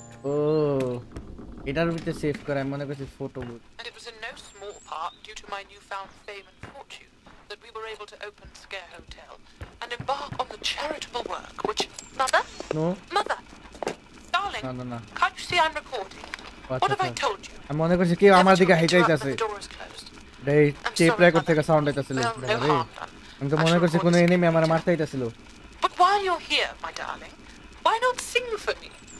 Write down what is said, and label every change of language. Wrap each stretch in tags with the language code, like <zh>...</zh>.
<bn>ও এটার ভিতরে সেভ করা, মনে করছি photo book.</bn> <en>And it was in no small part due to my newfound fame and fortune that we were able to open Sker Hotel and embark on the charitable work which... Mother? No. Mother! Darling! No, no, no. Can't you see I'm recording? What have I told you?</en> <bn>আমি মনে করছি কেউ আমার দিকে হাইটাইতাছে, এই tape record থেকে sound হাইতাছিল। আমি তো মনে করছি কোনো এনিমি আমার মারতে হাইতাছিল।</bn> <en>But while you're here, my darling, why not sing for me?</en>